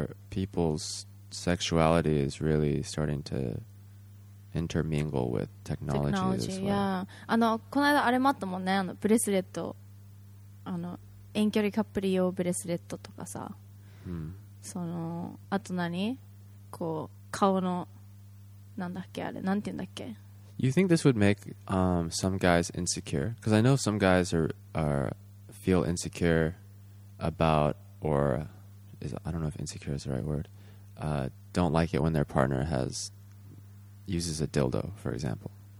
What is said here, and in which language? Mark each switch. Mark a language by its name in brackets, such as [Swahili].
[English] People's sexuality is really starting to intermingle with technology as well. [Japanese] Yeah. あのこの間あれもあったもんね。あのブレスレット、あの遠距離カップル用ブレスレットとかさ。そのあと何？こう顔のなんだっけあれ？なんていうんだっけ？ [English] You think this would make some guys insecure? Because I know some guys are feel insecure about, or is, I don't know if insecure is the right word. Don't like it when their partner uses a dildo, for example.